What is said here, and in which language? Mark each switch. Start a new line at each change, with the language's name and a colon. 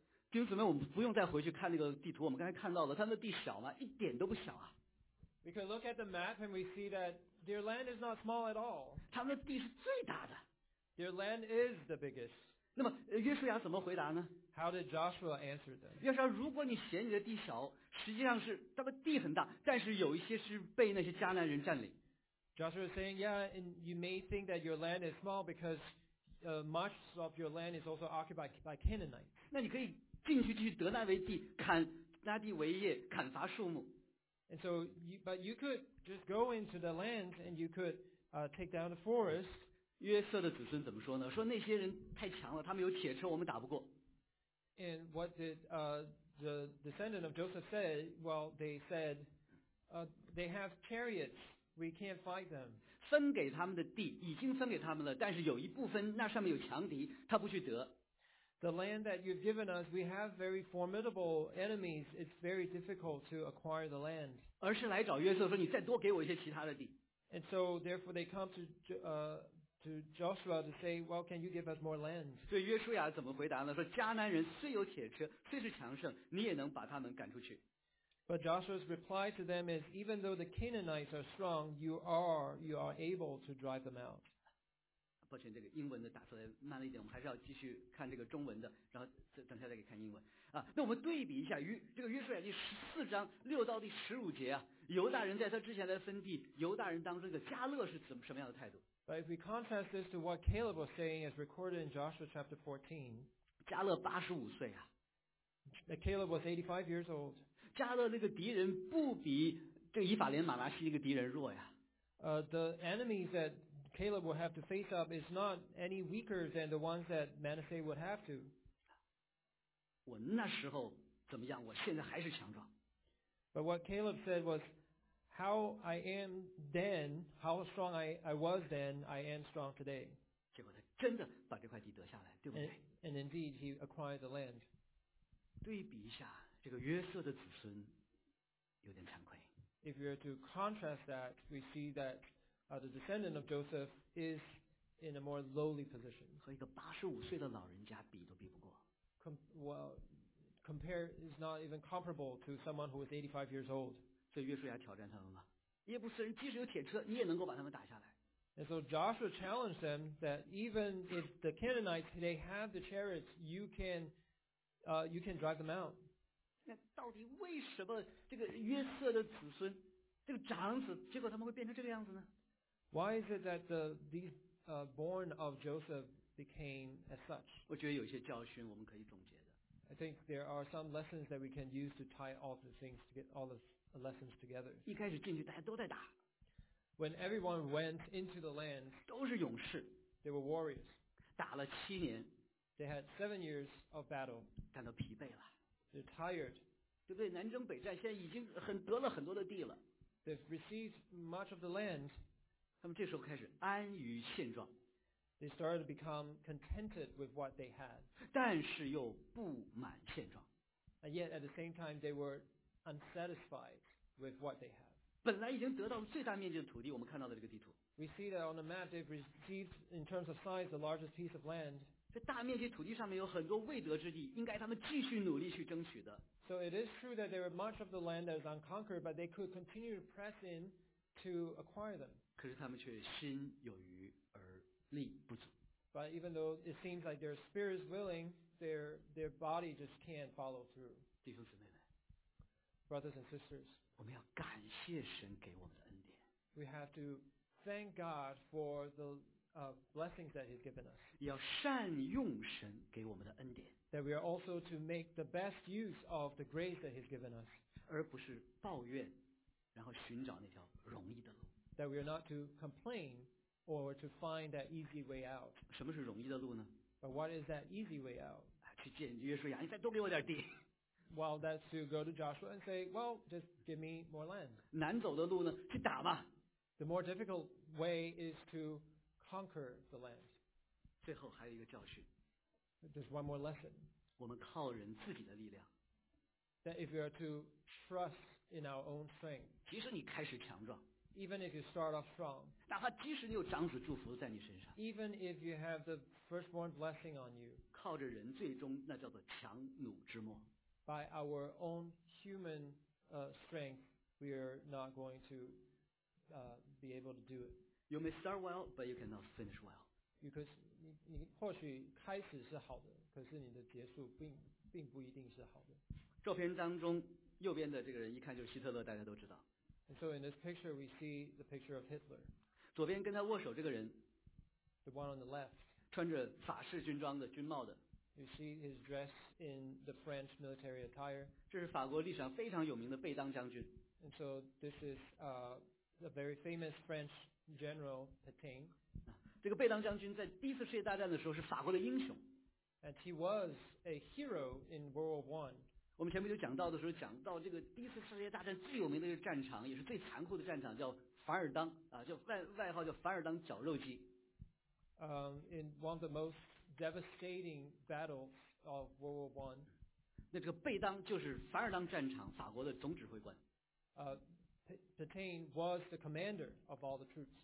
Chinese: 弟兄姊妹，我们不用再回去看那个地图，我们刚才看到了，他们的地小吗？一点都不小啊。
English: We can look at the map and we see that their land is not small at all.
Chinese: 他们的地是最大的。
English: Their land is the biggest.
Chinese: 那么约书亚怎么回答呢
English: ？How did Joshua answer them?
Chinese: 约书亚，如果你嫌你的地小，实际上是他们地很大，但是有一些是被那些迦南人占领。
English: Joshua is saying, yeah, and you may think that your land is small because much of your land is also occupied by Canaanites.
Chinese: 那你可以进去去得那为地，砍那地为业，砍伐树木。
English: And so, but you could just go into the land and you could take down the forest.
Chinese: 约瑟的子孙怎么说呢？说那些人太强了，他们有铁车，我们打不过。
English: And what did the descendant of Joseph say? Well, they said they have chariots. We can't fight them.
Chinese: 分给他们的地已经分给他们了，但是有一部分那上面有强敌，他不去得。
English: The land that you've given us, we have very formidable enemies. It's very difficult to acquire the land.
Chinese: 而是来找约瑟说：“你再多给我一些其他的地。”
English: And so, therefore, they come to Joshua to say, "Well, can you give us more land?"
Chinese: 所以约书亚怎么回答呢？说：“迦南人虽有铁车，虽是强盛，你也能把他们赶出去。”
English: But Joshua's reply to them is, "Even though the Canaanites are strong, you are able to drive them out."
Chinese: 抱歉，这个英文的打出来慢了一点，我们还是要继续看这个中文的，然后等下再给看英文啊。那我们对比一下这个约书亚第十四章六到第十五节啊，犹大人在他之前来分地，犹大人当中的加勒是怎么什么样的态度
English: ？But if we contrast this to what Caleb was saying, as recorded in Joshua chapter 14,
Chinese: 加勒八十五岁啊。
English: Caleb was 85 years old.
Chinese: 加勒那个敌人不比这以法莲马拿西那个敌人弱呀。
English: The enemies that Caleb will have to face up is not any weaker than the ones that Manasseh would have to.
Chinese: 我那时候怎么样？我现在还是强壮。
English: But what Caleb said was, "How I am then, how strong I was then, I am strong today."
Chinese: 结果他真的把这块地得下来，对不对
English: ？And indeed, he acquired the land.
Chinese: 对比一下，这个约瑟的子孙有点惭愧。
English: If we are to contrast that, we see that the descendant of Joseph is in a more lowly position.
Chinese: 和一个八十五岁的老人家比都比不过。
English: Well, compare is not even comparable to someone who is 85 years old.
Chinese: 所以约书亚挑战他们了。耶布斯人即使有铁车，你也能够把他们打下来。
English: And so Joshua challenged them that even if the Canaanites they have the chariots, you can. You can drive them out.
Chinese: 那到底为什么这个约瑟的子孙，这个长子，结果他们会变成这个样子呢
English: ？Why is it that these born of Joseph became as such?
Chinese: 我觉得有些教训我们可以总结的。
English: I think there are some lessons that we can use to tie all the things to get all the lessons together.
Chinese: 一开始进去大家都在打。
English: When everyone went into the land,
Chinese: 都是勇士。
English: They were warriors.
Chinese: 打了七年。
English: They had 7 years of battle.
Chinese: 感到疲惫了。
English: They're tired.
Chinese: 对不对？南征北战，现在已经得了很多的地了。
English: They've received much of the land.
Chinese: 他们这时候开始安于现状。
English: They started to become contented with what they had.
Chinese: 但是又不满现状。
English: And yet at the same time they were unsatisfied with what they had.
Chinese: 本来已经得到了最大面积的土地，我们看到了这个地图。
English: We see that on the map they've received in terms of size the largest piece of land.
Chinese: 这大面积土地上面有很多未得之地，应该他们继续努力去争取的。
English: So it is true that there are much of the land that is unconquered, but they could continue to press in to acquire them.
Chinese: 可是他们却心有余而力不足。
English: But even though it seems like their spirit is willing, their body just can't follow through.
Chinese: 弟兄姊妹们
English: Brothers and sisters,
Chinese: 我们要感谢神给我们的恩典。
English: We have to thank God for the blessings that He's given us.
Chinese: 要善用神给我们的恩典。
English: That we are also to make the best use of the grace that He's given us.
Chinese: 而不是抱怨然后寻找那条容易的路。
English: That we are not to complain or to find that easy way out.
Chinese: 什么是容易的路呢
English: ？But what is that easy way out?
Chinese: 去见约书亚，你再多给我点地。
English: Well, that's to go to Joshua and say, well, just give me more land.
Chinese: 难走的路呢，去打吧。
English: The more difficult way is to conquer the land.
Chinese: 最后还有一个教训。
English: There's one more lesson.
Chinese: 我们靠人自己的力量。
English: That if you are to trust in our own strength,
Chinese: 即使你开始强壮。
English: Even if you start off strong,
Chinese: 哪怕即使你有长子祝福在你身上，
English: even if you have the firstborn blessing on you,
Chinese: 靠着人最终那叫做强弩之末。
English: By our own human strength, we are not going to be able to do it. You may start well, but you cannot finish well.
Chinese: 你或许开始是好的，可是你的结束并不一定是好的。照片当中右边的这个人一看就是希特勒，大家都知道。
English: And so in this picture, we see the picture of Hitler.
Chinese: 左边跟他握手这个人
English: the one on the left,
Chinese: 穿着法式军装的军帽的。
English: You see his dress in the French military attire.
Chinese: 这是法国历史上非常有名的贝当将军。
English: And so this is a very famous French general, Petain.
Chinese: 这个贝当将军在第一次世界大战的时候是法国的英雄。
English: And he was a hero in World War I.
Chinese: 我们前面就讲到的时候，讲到这个第一次世界大战最有名的一个战场，也是最残酷的战场，叫凡尔登啊，叫外号叫凡尔登绞肉机。
English: In one of the most devastating battles of World War I,
Chinese: 那这个贝当就是凡尔登战场法国的总指挥官。
English: Petain was the commander of all the troops.